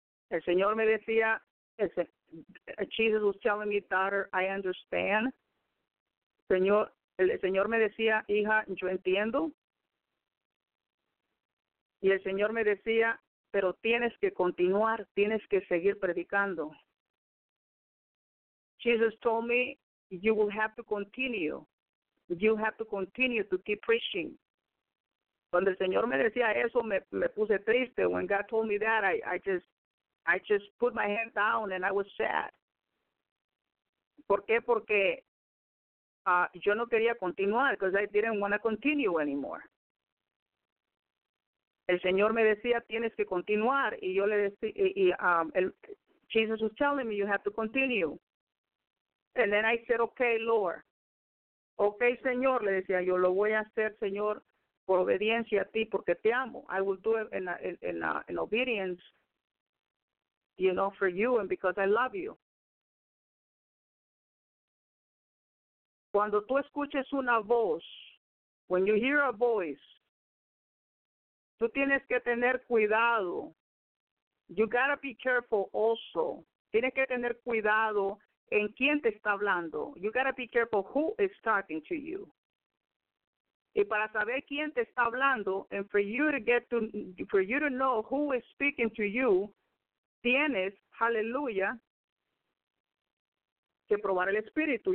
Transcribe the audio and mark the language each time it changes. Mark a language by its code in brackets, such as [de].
[es] El Señor me decía, [en] Jesus was telling me, daughter, I understand. [es] Señor, el Señor me decía, hija, yo entiendo. Y el Señor me decía, pero tienes que continuar, tienes que seguir predicando. [en] Jesus told me, you will have to continue. You have to continue to keep preaching. [es] Cuando el Señor me decía eso, me puse triste. [en] When God told me that, I just put my hand down and I was sad. [es] ¿Por qué? Porque yo no quería continuar, [en] because I didn't want to continue anymore. [es] El Señor me decía, tienes que continuar. Y yo le decía, [en] Jesus was telling me, you have to continue. And then I said, okay, Lord. [es] Okay, Señor, le decía, yo lo voy a hacer, Señor, por obediencia a ti, porque te amo. [en] I will do it in obedience, you know, for you and because I love you. [es] Cuando tú escuches una voz, [en] when you hear a voice, [es] tú tienes que tener cuidado. [en] You gotta be careful also. [es] Tienes que tener cuidado en quién te está hablando. [en] You gotta be careful who is talking to you. [es] Y para saber quién te está hablando, [en] and for you to know who is speaking to you, [es] tienes, hallelujah, que probar el espíritu.